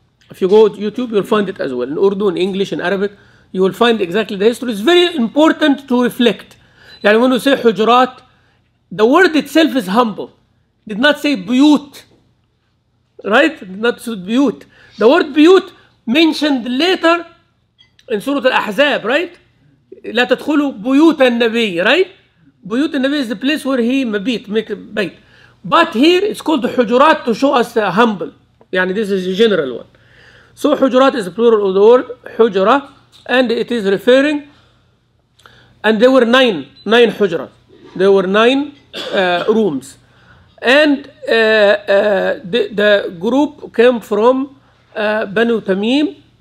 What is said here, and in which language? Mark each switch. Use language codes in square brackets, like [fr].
[en] If you go to YouTube, you'll find it as well. In Urdu, in English, in Arabic, you will find exactly the history. It's very important to reflect. Yani when you say Hujurat, the word itself is humble. Did not say Buyut. Right? Did not say Buyut. The word Buyut mentioned later in Surah Al-Ahzab, right? [ar] لا تدخلوا بيوت النبي, right? بيوت النبي [en] is the place where he [ar] مبيت, [en] make a bait. But here it's called حجرات to show us humble. يعني this is a general one. So حجرات is the plural of the word حجرة, and it is referring, and there were nine حجرة. There were nine rooms. And the group came from Banu Tamim.